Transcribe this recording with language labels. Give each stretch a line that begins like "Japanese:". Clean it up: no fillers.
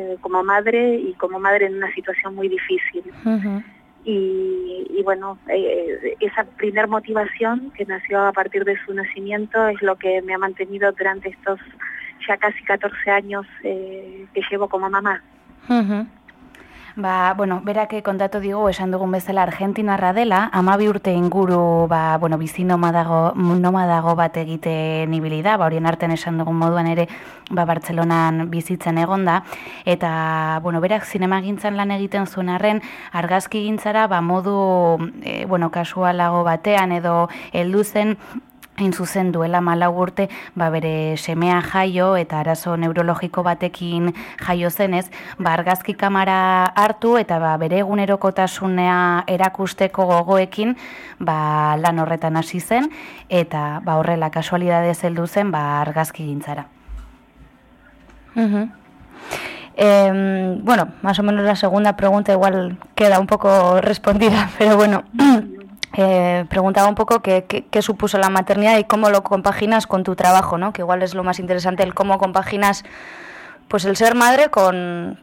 Spanish: Como madre y como madre en una situación muy difícil. Y bueno, esa primer motivación que nació a partir de su nacimiento es lo que me ha mantenido durante estos ya casi 14 años que llevo como mamá.
Basque: Ba, bueno, berak kontatu digu, esan dugun bezala argentinarra dela, 12 urte inguru, ba, bueno, bizi nomadago bat egiten ibili da, ba, horien artean esan dugun moduan ere, ba, Bartzelonan bizitzen egonda, eta, bueno, berak zinemagintzan lan egiten zuen arren, argazkigintzara, ba, modu, bueno, kasualago batean edo heldu zen, hain zuzen duela 14 urte, ba bere semea jaio eta arazo neurologiko batekin jaio zenez, ba argazki kamara hartu eta ba bere egunerokotasunea erakusteko gogoekin, ba lan horretan hasi zen eta ba horrela kasualidadez heldu zen ba argazkigintzara.
Spanish: Bueno, más o menos la segunda pregunta igual queda un poco respondida, pero bueno, preguntaba un poco qué supuso la maternidad y cómo lo compaginas con tu trabajo, ¿no? Que igual es lo más interesante, el cómo compaginas pues el ser madre con...